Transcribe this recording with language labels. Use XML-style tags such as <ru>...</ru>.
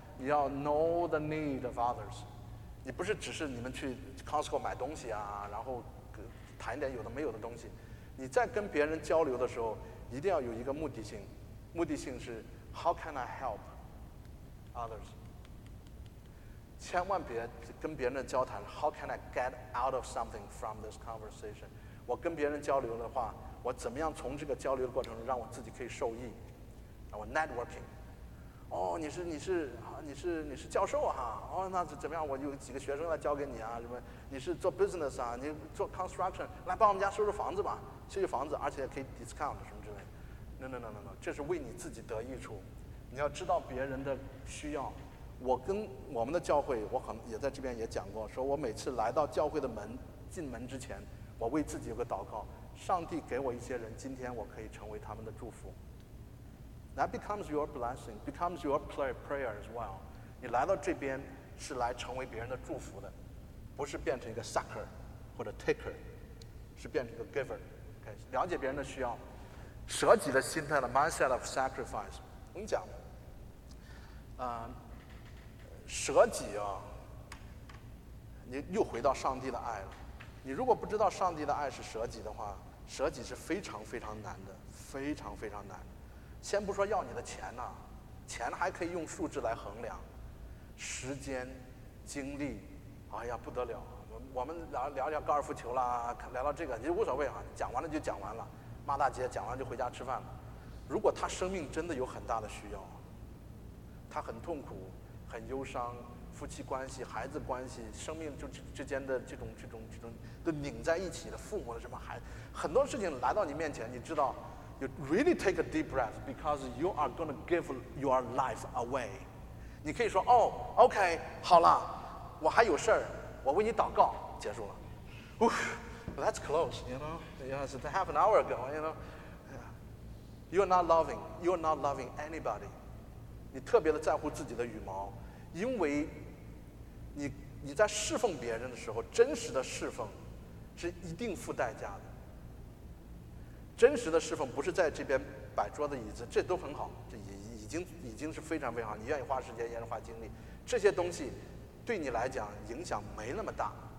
<zh>你要 know the need of others，你不是只是你们去 Costco 买东西啊，然后。谈一点有的没有的东西，你在跟别人交流的时候，一定要有一个目的性，目的性是 How can I help others？</zh> <en>千万别跟别人交谈 How can I get out of something from this conversation？</en> <zh>我跟别人交流的话，我怎么样从这个交流的过程中让我自己可以受益？我 networking。哦，你是教授啊，哦，那怎么样，我有几个学生来教给你啊，什么你是做 business 啊，你做 construction， 来帮我们家收拾房子吧，修修房子，而且可以 discount 什么之类的。 No，这是为你自己得益处，你要知道别人的需要。我跟我们的教会，我可能也在这边也讲过，说我每次来到教会的门，进门之前，我为自己有个祷告，上帝给我一些人，今天我可以成为他们的祝福。</zh> <en>That becomes your blessing, becomes your prayer as well.</en> <zh>你来到这边是来成为别人的祝福的，不是变成一个 sucker 或者 taker，是变成一个 giver。 Okay? 了解别人的需要，舍己的心态的 mindset of sacrifice。我跟你讲，舍己啊，你又回到上帝的爱了。你如果不知道上帝的爱是舍己的话，舍己是非常非常难的，非常非常难的。先不说要你的钱呢，钱还可以用数字来衡量，时间、精力，哎呀不得了！我们聊聊高尔夫球啦，聊聊这个，你无所谓哈，讲完了就讲完了，骂大街，讲完就回家吃饭了。如果他生命真的有很大的需要，他很痛苦、很忧伤，夫妻关系、孩子关系、生命就之间的这种都拧在一起的，父母的什么孩，很多事情来到你面前，你知道。</zh> <en>You really take a deep breath because you are going to give your life away.</en> <zh>你可以说哦 ， OK，好了，我还有事儿，我为你祷告，结束了。</zh> <en>Well, that's close, you know. Yes, half an hour ago, you know.、Yeah. You're not loving anybody.</en> <zh>你特别的在乎自己的羽毛，因为你在侍奉别人的时候，真实的侍奉是一定付代价的。真实的侍奉不是在这边摆桌子椅子，这都很好，这已经是非常非常好，你愿意花时间，愿意花精力，这些东西对你来讲影响没那么大。</zh>